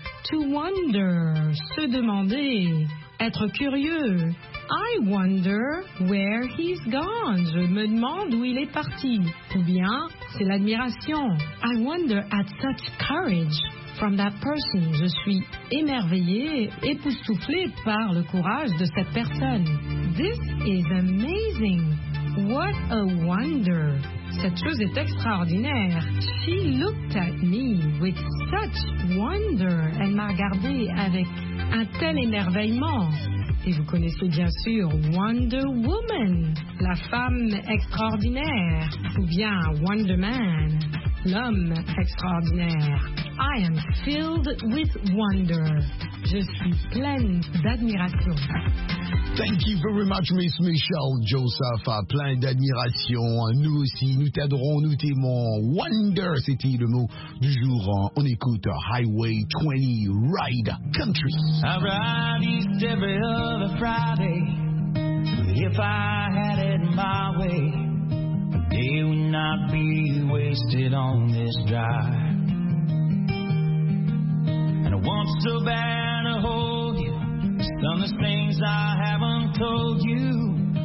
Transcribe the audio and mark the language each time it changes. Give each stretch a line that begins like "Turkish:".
French: To wonder, se demander, être curieux.
English: I wonder where he's gone.
French: Je me demande où il est parti. Ou bien, c'est l'admiration.
English: I wonder at such courage. From that person,
French: je suis émerveillée, époustouflée par le courage de cette personne.
English: This is amazing. What a wonder.
French: Cette chose est extraordinaire.
English: She looked at me with such wonder.
French: Elle m'a regardé avec un tel émerveillement. Et vous connaissez bien sûr Wonder Woman, la femme extraordinaire. Ou bien Wonder Man, l'homme extraordinaire.
English: I am filled with wonder.
French: Je suis pleine d'admiration.
English: Thank you very much, Miss Michelle Joseph.
French: Plein d'admiration. Nous aussi, nous t'aiderons, nous t'aimons. Wonder, c'était le mot du jour. On écoute Highway 20, Ride Country.
English: I ride east every other Friday. If I had it my way, the day would not be wasted on this drive. And I want so bad to hold you. Some of the things I haven't told you.